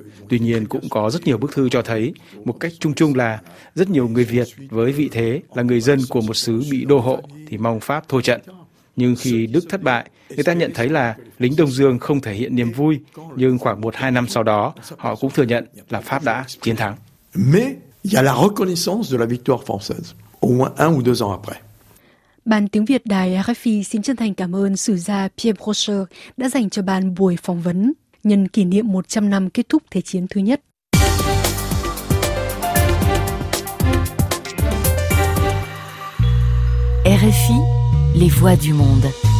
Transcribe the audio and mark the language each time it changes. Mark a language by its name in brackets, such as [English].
[Vietnamese] Tuy nhiên cũng có rất nhiều bức thư cho thấy một cách chung chung là rất nhiều người Việt với vị thế là người dân của một xứ bị đô hộ thì mong Pháp thua trận. Nhưng khi Đức thất bại, người ta nhận thấy là lính Đông Dương không thể hiện niềm vui, nhưng khoảng 1-2 năm sau đó, họ cũng thừa nhận là Pháp đã chiến thắng. [French] Mais il y a la reconnaissance de la victoire française au moins 1 ou 2 ans après. [Vietnamese] Bản tiếng Việt Đài RFI xin chân thành cảm ơn sử gia Pierre Brochet đã dành cho bạn buổi phỏng vấn nhân kỷ niệm 100 năm kết thúc Thế chiến thứ nhất. [French] RFI, Les voix du monde.